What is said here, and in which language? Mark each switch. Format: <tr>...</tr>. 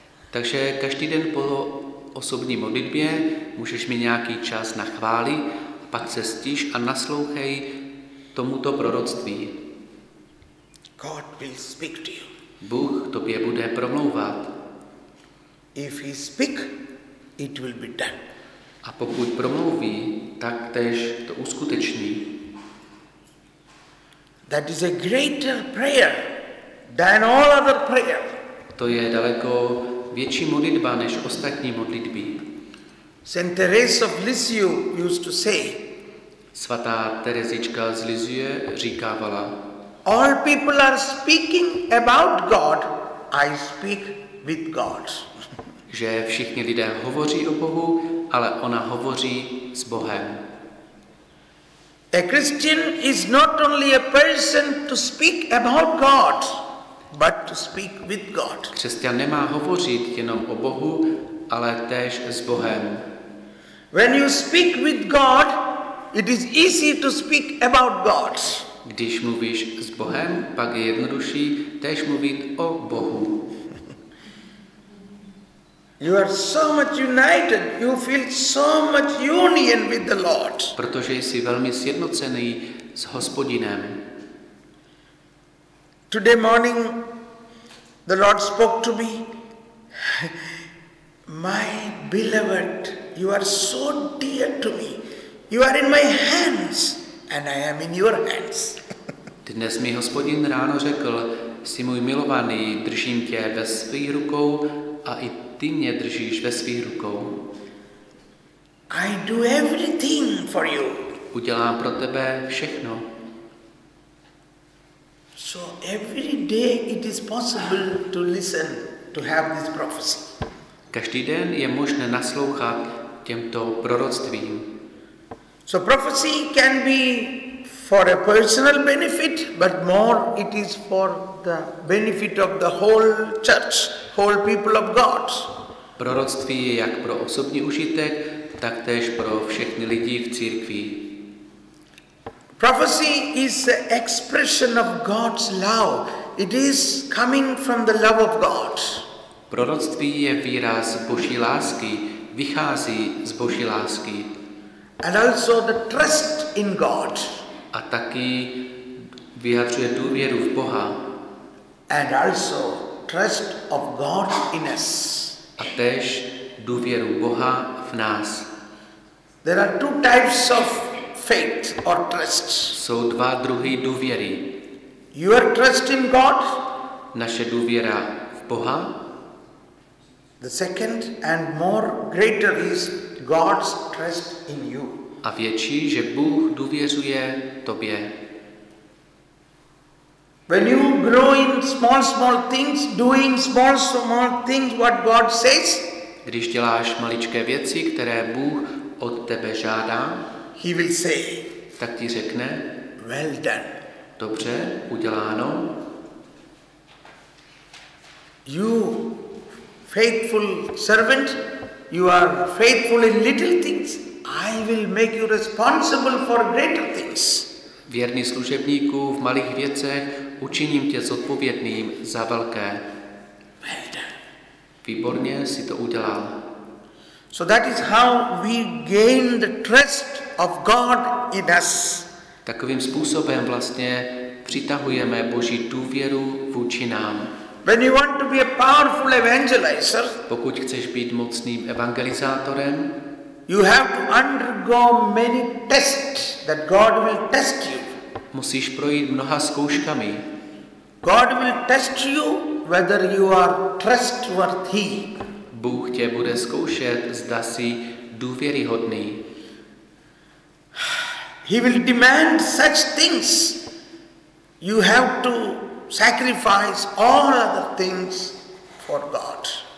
<cs>Takže každý den po osobní modlitbě můžeš mít nějaký čas na chvály, pak se stiš a naslouchej tomuto proroctví.</cs> <en>God will speak to you.</en> <cs>Bůh tobě bude promlouvat.</cs> <en>If he speak, it will be done.</en> <cs>A pokud promluví, tak též to uskuteční.</cs> <en>That is a greater prayer than all other prayer.</en> <cs>To je daleko větší modlitba než ostatní modlitby.</cs> <en>Saint Therese of Lisieux used to say.</en> <cs>Svatá Terezička z Lisieux říkávala.</cs> <en>All people are speaking about God, I speak with God.</en> <cs>Že všichni lidé hovoří o Bohu, ale ona hovoří s Bohem.</cs> <en>A Christian is not only a person to speak about God, but to speak with God.</en> <cs>Křesťan nemá hovořit jenom o Bohu, ale též s Bohem.</cs> <en>When you speak with God, it is easy to speak about God.</en> <cs>Když mluvíš s Bohem, pak je jednodušší též mluvit o Bohu.</cs> <en>You are so much united. You feel so much union with the Lord.</en> <cs>Protože jsi velmi sjednocený s Hospodinem.</cs> <en>Today morning the Lord spoke to me. My beloved, you are so dear to me. You are in my hands and I am in your hands.</en> <cs>Dnes mi Hospodin ráno řekl: jsi můj milovaný, držím tě ve svých rukou a i ty mě držíš ve svých rukou.</cs> <en>I do everything for you.</en> <cs>Udělám pro tebe všechno.</cs> <en>So every day it is possible to listen, to have this prophecy.</en> <cs>Každý den je možné naslouchat těmto proroctvím.</cs> <en>So prophecy can be for a personal benefit, but more it is for the benefit of the whole church, whole people of God.</en> <cs>Proroctví je jak pro osobní užitek, tak též pro všechny lidi v církvi.</cs> <en>Prophecy is the expression of God's love. It is coming from the love of God.</en> <cs>Proroctví je výraz Boží lásky, vychází z Boží lásky.</cs> <en>And also the trust in God.</en> <cs>A taky vyjadřuje důvěru v Boha.</cs> <en>And also trust of God in us.</en> <cs>A též důvěru Boha v nás.</cs> <en>There are two types of faith or trust.</en> <cs>Jsou dva druhy důvěry.</cs> <en>Your trust in God.</en> <cs>Naše důvěra v Boha.</cs> <en>The second and more greater is God's trust in you.</en> <cs>A větší, že Bůh důvěřuje tobě.</cs> <en>When you grow in small things, doing small things what God says,</en> <cs>když děláš maličké věci, které Bůh od tebe žádá,</cs> <en>he will say,</en> <cs>tak ti řekne,</cs> <en>well done.</en> <cs>Dobře, uděláno.</cs> <en>You faithful servant, you are faithful in little things, I will make you responsible for greater things.</en> <cs>Věrný služebníku, v malých věcech učiním tě zodpovědným za velké.</cs> <en>Well done.</en> <cs>Výborně si to udělal.</cs> <en>So that is how we gain the trust of God in us.</en> <cs>Takovým způsobem vlastně přitahujeme Boží důvěru vůči nám.</cs> <en>When you want to be a powerful evangelizer,</en> <cs>pokud chceš být mocným evangelizátorem,</cs> <en>you have to undergo many tests that God will test you.</en> <cs>Musíš projít mnoha zkouškami.</cs> <en>God will test you whether you are trustworthy.</en> <cs>Bůh tě bude zkoušet, zda jsi důvěryhodný.</cs> <en>He will demand such things. You have to sacrifice all other things for God.</en>